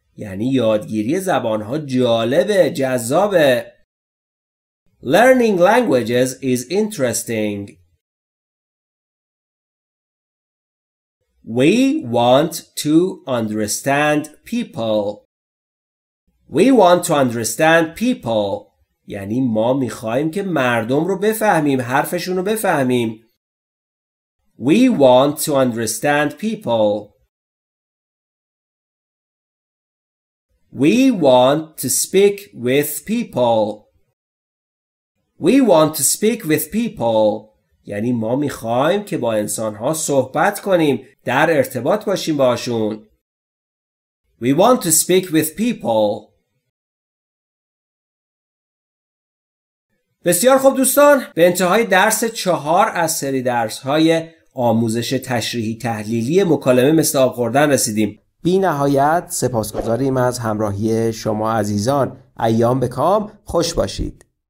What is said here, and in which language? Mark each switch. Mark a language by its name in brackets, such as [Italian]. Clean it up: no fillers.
[Persian] یعنی یادگیری زبانها جالبه، جذابه. [English] Learning languages is interesting. We want to understand people. We want to understand people. [Persian] یعنی ما میخواییم که مردم رو بفهمیم، حرفشون رو بفهمیم. [English] We want to understand people. We want to speak with people. We want to speak with people. [Persian] یعنی ما میخواییم که با انسانها صحبت کنیم، در ارتباط باشیم باشون. [English] We want to speak with people. [Persian] بسیار خوب دوستان، به انتهای درس 4 از سری درس‌های آموزش تشریحی تحلیلی مکالمه مثل آب خوردن رسیدیم. بی نهایت سپاسگزاریم از همراهی شما عزیزان. ایام به کام، خوش باشید.